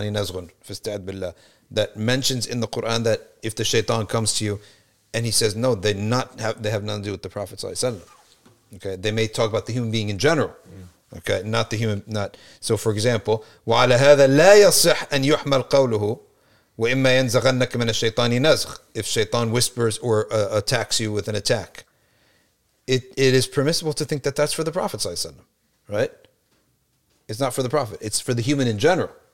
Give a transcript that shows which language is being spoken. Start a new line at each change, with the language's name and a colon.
English: that mentions in the Quran that if the shaitan comes to you and he says no, they have nothing to do with the Prophet. Okay, they may talk about the human being in general. Yeah. Okay, not the human, not so for example,
Arabic: وَعَلَى هَذَا لَا يَصِحْ أَنْ يُحْمَلْ قَوْلُهُ وَإِمَّا يَنْزَغَنَّكَ مِنَ الشَّيْطَانِ نَزْخ.
English: If shaitan whispers or attacks you with an attack, it is permissible to think that that's for the Prophet, right? It's not for the Prophet, it's for the human in general.